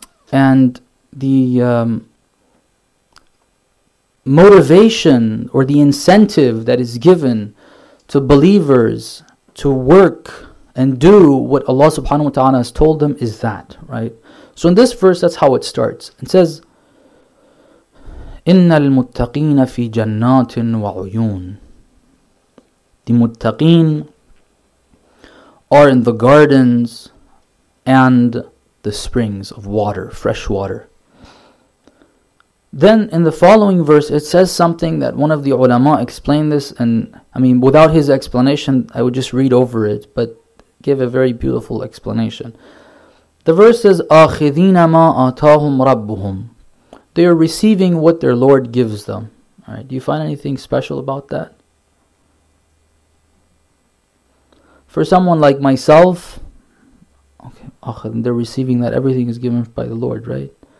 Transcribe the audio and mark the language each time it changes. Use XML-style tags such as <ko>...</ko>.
<en>And the motivation or the incentive that is given to believers to work and do what Allah subhanahu wa ta'ala has told them is that, right? So in this verse, that's how it starts. It says,</en> <ar>إِنَّ الْمُتَّقِينَ فِي جَنَّاتٍ وَعُيُونَ.</ar> <en>The muttaqeen are in the gardens and the springs of water, fresh water. Then in the following verse, it says something that one of the ulama explained this, and I mean, without his explanation, I would just read over it, but give a very beautiful explanation. The verse says,</en> <ar>أَخِذِينَ مَا أَتَاهُمْ رَبُّهُمْ.</ar> <en>They are receiving what their Lord gives them. All right, do you find anything special about that? For someone like myself, okay, they're receiving that everything is given by the Lord, right?</en>